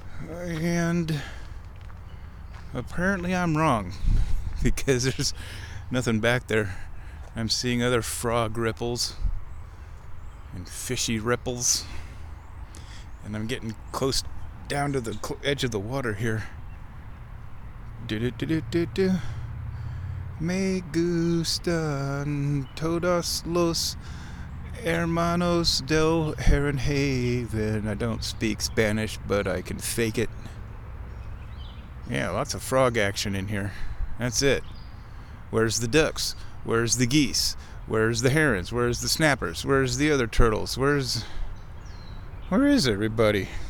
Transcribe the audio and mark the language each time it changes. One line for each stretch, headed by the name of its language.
English: And apparently I'm wrong, because there's nothing back there. I'm seeing other frog ripples and fishy ripples, and I'm getting close down to the edge of the water here. Do-do-do-do-do-do.
Spanish: Me gustan todos los hermanos del Heron Haven.
English: I don't speak Spanish, but I can fake it. Yeah, lots of frog action in here. That's it. Where's the ducks? Where's the geese? Where's the herons? Where's the snappers? Where's the other turtles? Where is everybody?